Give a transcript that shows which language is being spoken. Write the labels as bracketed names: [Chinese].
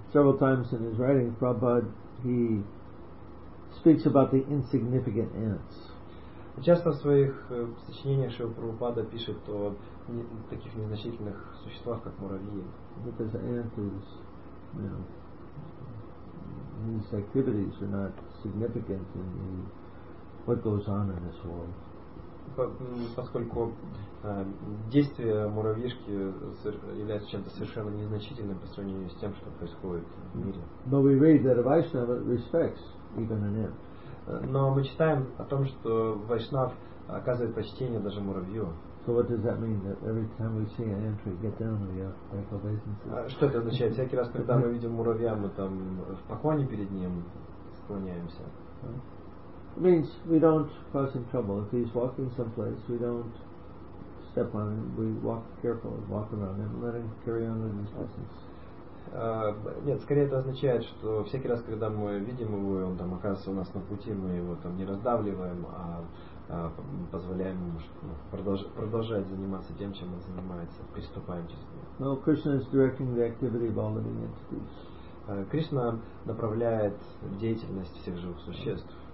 [English] Several times in his writings, Prabhupada he speaks about the insignificant ants. [Russian] Часто в своих сочинениях Шрила Прабхупада пишет о таких незначительных существах, как муравьи. [English] Because an ant is, you know, his activities are not significant in what goes on in this world. [Russian] Поскольку действия муравьишки являются чем-то совершенно незначительным по сравнению с тем, что происходит в мире. Но [English] we read that a Vaishnava respects even an ant. [Russian] Но мы читаем о том, что Вайшнав оказывает почтение даже муравью. [English] So what does that mean? That every time we see an ant, we get down, we make obeisances. [Russian] Что это означает? Всякий раз, когда мы видим муравья, мы там в поклоне перед ним склоняемся. [English] It means we don't cause him trouble. If he's walking someplace, we don't step on him. We walk carefully, walk around him, let him carry on with his business. [Russian] Нет, скорее это означает, что всякий раз, когда мы видим его, и он там оказывается у нас на пути, мы его там не раздавливаем, а позволяем ему продолжать заниматься тем, чем он занимается, приступаем к нему. [English] Well, Krishna is directing the activity of all living entities. [Russian] Кришна направляет деятельность всех живых существ.